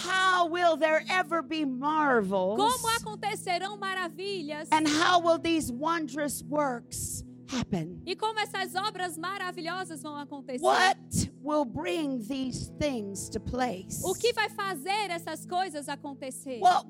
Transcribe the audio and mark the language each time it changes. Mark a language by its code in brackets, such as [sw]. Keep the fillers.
[en] How will there ever be marvels? [pt] Como acontecerão maravilhas? [en] And how will these wondrous works happen? [pt] E como essas obras maravilhosas vão acontecer? [en] What will bring these things to place? [pt] O que vai fazer essas coisas acontecer?